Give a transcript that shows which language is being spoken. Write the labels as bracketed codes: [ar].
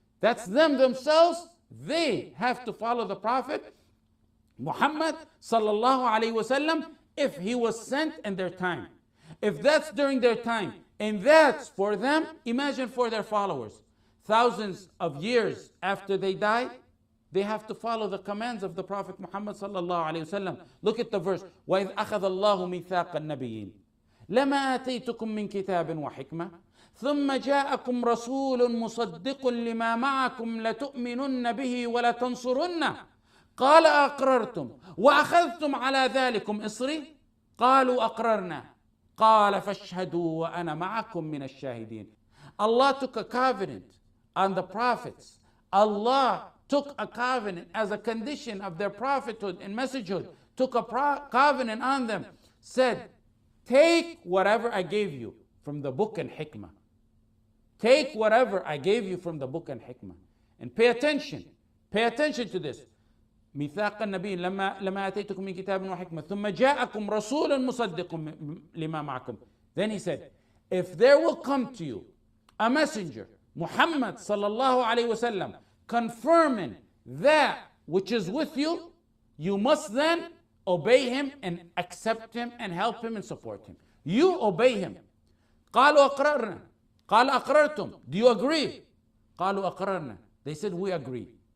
[en] That's them themselves. They have to follow the Prophet Muhammad sallallahu alayhi wasallam if he was sent in their time. If that's during their time, and that's for them, imagine for their followers. Thousands of years after they die, they have to follow the commands of the Prophet Muhammad sallallahu alayhi wasallam. Look at the verse. [ar] وَإِذْ أَخَذَ اللَّهُ مِيثَاقَ النَّبِيِّينَ لَمَا آتَيْتُكُمْ مِنْ كِتَابٍ وَحِكْمَةٍ ثُمَّ جَاءَكُمْ رَسُولٌ مُصَدِّقٌ لِمَا مَعَكُمْ لَتُؤْمِنُنَّ بِهِ وَلَتَنْصُرُنَّهُ قَالَ أَقْرَرْتُمْ وَأَخَذْتُمْ عَلَى ذَلِكُمْ إِصْرِي قَالُوا أَقْرَرْنَا قَالَ فَاشْهَدُوا وَأَنَا مَعَكُمْ مِنَ الشَّاهِدِينَ [en] Allah took a covenant on the prophets. Allah took a covenant as a condition of their prophethood and messengerhood, took a covenant on them, said, take whatever I gave you from the book and hikmah. Take whatever I gave you from the book and hikmah. And pay attention. Pay attention to this. [ar] ميثاق النبي لما آتيتكم من كتاب وحكمة ثم جاءكم رسول مصدق لما معكم. [en] Then he said, if there will come to you a messenger, Muhammad sallallahu alayhi wa sallam, confirming that which is with you, you must then obey him and accept him and help him and support him. You obey him. [ar] قالوا أقررنا. قال أقررتم. [en] Do you agree? [ar] قالوا أقررنا. [en] They said, we agree.